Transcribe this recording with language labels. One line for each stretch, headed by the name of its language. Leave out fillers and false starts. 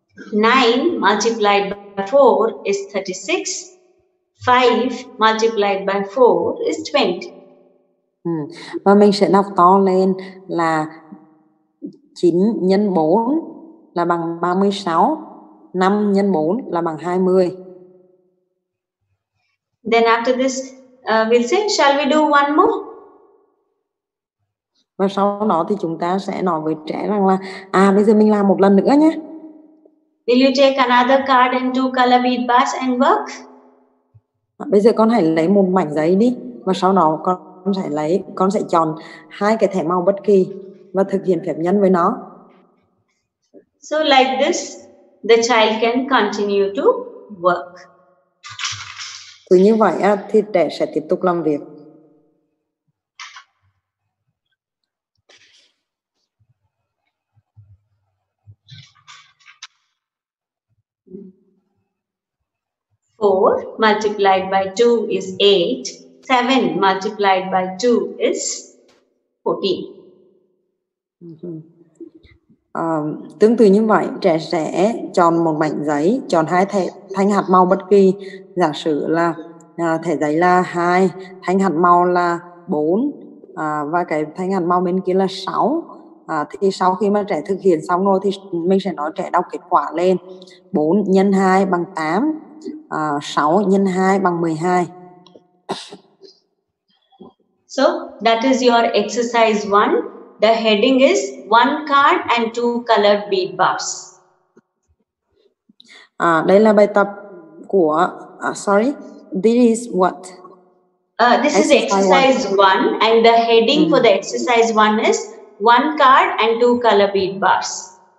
English: 9 multiplied by 4 is 36. 5 multiplied by 4 is 20.
Vietnamese: Và mình sẽ đọc to lên là 9 nhân 4 là bằng 36, 5 nhân 4 là bằng 20.
English: Then after this, we'll say, shall we do one more?
Vietnamese: Và sau đó thì chúng ta sẽ nói với trẻ rằng là, bây giờ mình làm một lần nữa nhé.
English: Will you take another card and do color bead bars and work?
Vietnamese: Bây giờ con hãy lấy một mảnh giấy đi, và sau đó con sẽ chọn hai cái thẻ màu bất kỳ và thực hiện phép nhân với nó.
English: So like this, the child can continue to work.
Vietnamese: Cứ như vậy thì trẻ sẽ tiếp tục làm việc.
English: Four multiplied by two is eight. 7 multiplied by 2 is 14.
Vietnamese: Tương tự như vậy, trẻ sẽ chọn một mảnh giấy, chọn hai thẻ thanh hạt màu bất kỳ. Giả sử là thẻ giấy là 2, thanh hạt màu là 4 và cái thanh hạt màu bên kia là 6. Thì sau khi mà trẻ thực hiện xong rồi thì mình sẽ nói trẻ đọc kết quả lên. 4 nhân 2 bằng 8, 6 nhân 2 bằng 12.
English: So that is your exercise 1. The heading is one card and two colored bead bars.
Vietnamese: Đây là bài tập của
English: this is what? This exercise is exercise 1 and the heading for the exercise 1 is one card and two colored bead bars.